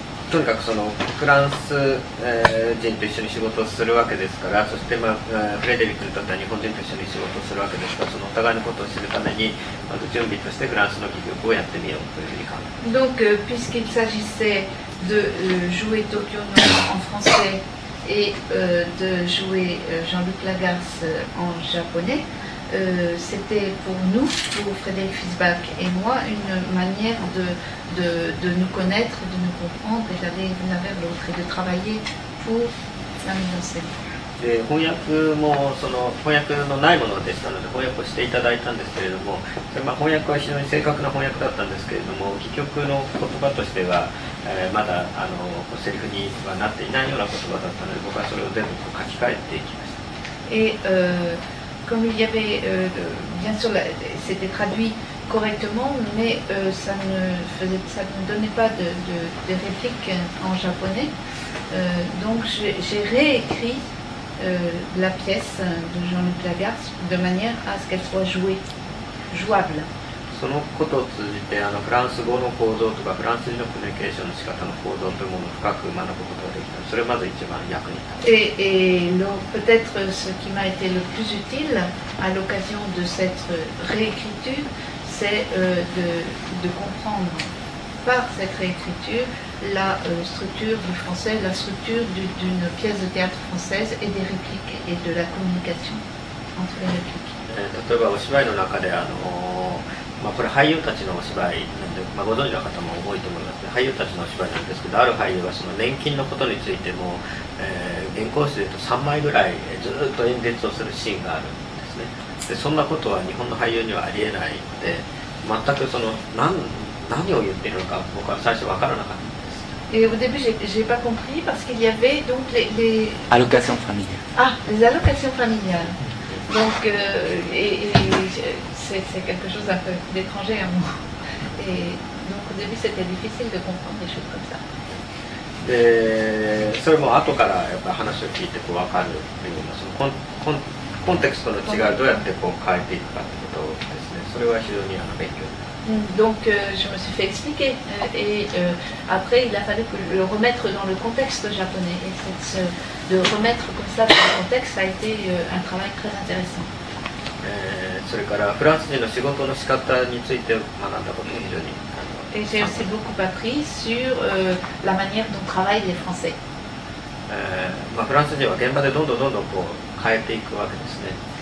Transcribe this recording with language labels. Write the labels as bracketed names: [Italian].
[Japanese] とにかくそのフランス人と一緒に仕事をするわけですから、そしてフレデリックにとっては日本人と一緒に仕事をするわけですから、そのお互いのことを知るために、まず準備としてフランスの戯曲をやってみようというふうに考えます。 [French] Donc, puisqu'il s'agissait de jouer Tokyo Note en français et de jouer Jean-Luc Lagarce en japonais, c'était pour nous, pour Frédéric Fisbach et moi, une manière de nous connaître, de nous comprendre et d'aller l'un vers l'autre et de travailler pour la mise en scène. [Japanese] で翻訳もその翻訳のないものでしたので翻訳をしていただいたんですけれども、それ翻訳は非常に正確な翻訳だったんですけれども、戯曲の言葉としてはまだセリフにはなっていないような言葉だったので、僕はそれを全部こう書き換えていきました。 [French] Comme il y avait, bien sûr, c'était traduit correctement, mais ça ne donnait pas de réplique en japonais. Donc j'ai réécrit la pièce de Jean-Luc Lagarce de manière à ce qu'elle soit jouable. [Japanese] そのことを通じてフランス語の構造とかフランス人のコミュニケーションの仕方の構造というものを深く学ぶことができた。それまず一番役に立った。 [French] peut-être ce qui m'a été le plus utile à l'occasion de cette réécriture, c'est de comprendre par cette réécriture la structure du français, la structure d'une pièce de théâtre française et des répliques et de la communication entre les répliques. [Japanese] 例えばお芝居の中でこれ俳優たちのお芝居なんで、ご存知の方も多いと思います。俳優たちのお芝居なんですけど、ある俳優はその年金のことについても、原稿紙で言うと3枚ぐらいずっと演説をするシーンがあるんですね。でそんなことは日本の俳優にはありえないので、全くその 何を言っているのか僕は最初分からなかったんです。 [French] Et au début, j'ai pas compris parce qu'il y avait donc les allocations familiales. Ah, les allocations familiales. Donc, c'est quelque chose un peu d'étranger à moi. Et donc, au début, c'était difficile de comprendre des choses comme ça. [Japanese] Et それも後からやっぱ話を聞いてこう分かるというような、そのコンテクストの違いをどうやってこう変えていくかということですね。それは非常に勉強になる。 [French] Donc, je me suis fait expliquer. Et après, il a fallu le remettre dans le contexte japonais. Et de remettre comme ça dans le contexte, ça a été un travail très intéressant. [Japanese] それからフランス人の仕事の仕方について学んだことも非常に。 [French] Et j'ai aussi beaucoup appris sur la manière dont travaillent les Français. [Japanese] フランス人は現場でどんどんどんどんこう変えていくわけですね。